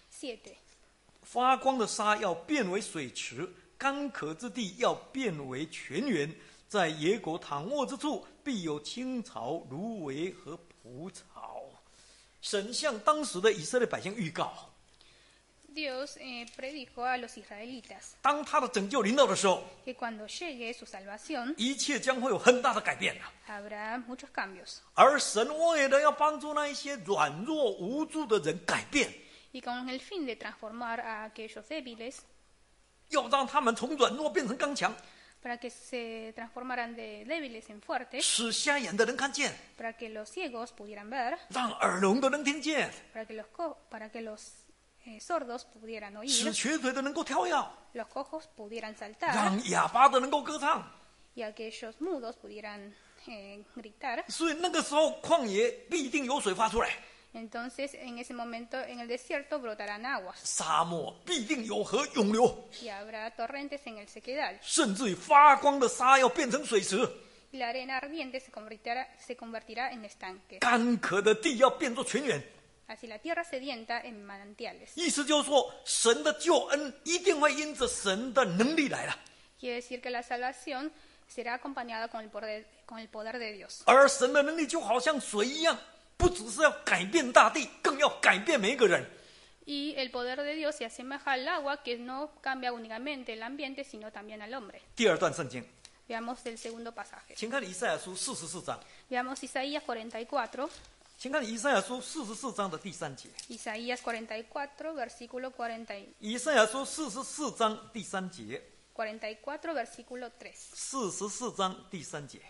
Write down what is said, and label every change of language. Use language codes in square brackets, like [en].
[zh] 7. 发光的沙要变为水池，干渴之地要变为泉源。在野果躺卧之处，必有青草、芦苇和蒲草。神向当时的以色列百姓预告。 [es] Dios predijo a los israelitas. [zh] 当他的拯救临到的时候 [es] ，que cuando llegue su salvación， [zh] 一切将会有很大的改变呐。 [es] Habrá muchos cambios. [zh] 而神为了要帮助那一些软弱无助的人改变 [es] ，y con el fin de transformar a aquellos débiles， [zh] 要让他们从软弱变成刚强。 [es] Para que se transformaran de débiles en fuertes. [zh] 使瞎眼的人看见。 [es] Para que los ciegos pudieran ver. [zh] 让耳聋的人听见。 [es] Para que los sordos pudieran oír. [zh] 使瘸腿的能够跳跃。 [es] Los cojos pudieran saltar. [zh] 让哑巴的能够歌唱。 [es] Y aquellos mudos pudieran gritar. [zh] 所以那个时候旷野必定有水发出来。 [es] Entonces en ese momento en el desierto brotarán aguas. [zh] 沙漠必定有河涌流。 [es] Y habrá torrentes en el sequedal. [zh] 甚至于发光的沙要变成水池。 [es] La arena ardiente se convertirá en estanque. [zh] 干渴的地要变作泉源。 [es] Así la tierra sedienta en manantiales. [zh] 意思就是说，神的救恩一定会因着神的能力来了。 [es] Quiere decir que la salvación será acompañada con el poder de Dios. [zh] 而神的能力就好像水一样。不只是要改变大地，更要改变每一个人。 [es] Y el poder de Dios se asemeja al agua que no cambia únicamente el ambiente sino también al hombre. [zh] 第二段圣经。 [es] Veamos el segundo pasaje. [zh] 请看以赛亚书四十四章。 [es] Veamos Isaías 44. [zh] 请看以赛亚书四十四章的第三节。 [es] Isaías 44, versículo 40. [zh] 以赛亚书四十四章第三节。 [es] 44, versículo 3. [zh] 44章第三节。